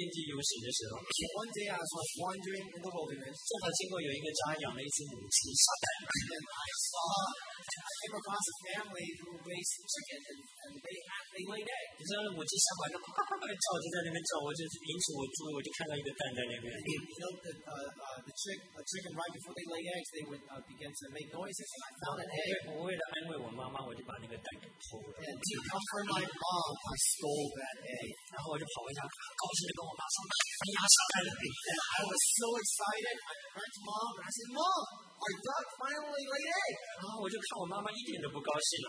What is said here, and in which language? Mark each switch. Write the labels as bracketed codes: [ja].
[en] One day I was wandering in the wilderness. [zh] 正好经过有一个家养了一只母鸡，下蛋。And [en] I saw, I came across a family who raised chickens, and they laid eggs. [zh] 你知道母鸡下蛋，啪啪啪，叫，就在那边叫，我就引起我注意，我就看到一个蛋在那边。 [en] You know the chicken right before they lay eggs, they would begin to make noises. And I found an egg. [zh] 我为了安慰我妈妈，我就把那个蛋给偷了。And [en] to comfort my mom, I stole that egg. [zh] 然后我就跑回家，高兴地跟我妈说：“你家下蛋了。” [en] I was so excited. I turned to mom and I said, "Mom, our duck finally laid egg." [zh] 然后我就看我妈妈一点都不高兴了。